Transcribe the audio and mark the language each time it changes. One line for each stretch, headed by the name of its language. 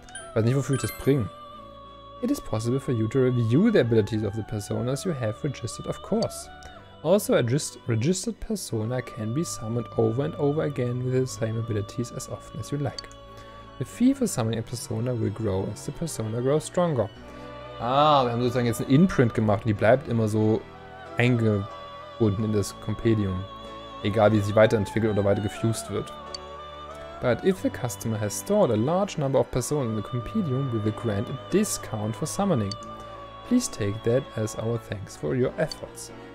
German: Ich weiß nicht, wofür ich das bringe.
English: It is possible for you to review the abilities of the personas you have registered, of course. Also, a registered persona can be summoned over and over again with the same abilities as often as you like. The fee for summoning a persona will grow as the persona grows stronger.
German: Ah, wir haben sozusagen jetzt ein Imprint gemacht und die bleibt immer so eingebunden in das Compendium. Egal wie sie weiterentwickelt oder weiter gefused wird.
English: But if the customer has stored a large number of personas in the Compendium, we will grant a discount for summoning. Please take that as our thanks for your efforts.